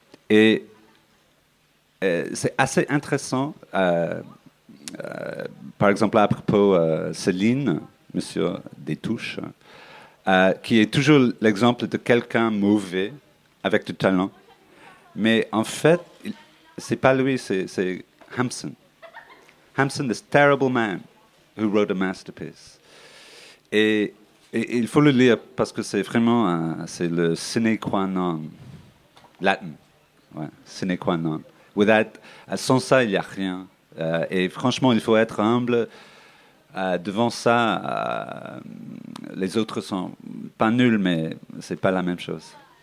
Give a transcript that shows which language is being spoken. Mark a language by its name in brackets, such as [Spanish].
[French] Et c'est assez intéressant, par exemple à propos Céline, monsieur Destouches, qui est toujours l'exemple de quelqu'un mauvais, avec du talent. Mais en fait, c'est pas lui, c'est Hamsun. [English] Hamsun, this terrible man who wrote a masterpiece. [French] Et il faut le lire parce que c'est vraiment c'est le sine qua non latin. Ouais, sine qua non. Sans ça, il n'y a rien. Et franchement, il faut être humble. Devant ça, les autres sont pas nuls, mais c'est pas la même chose.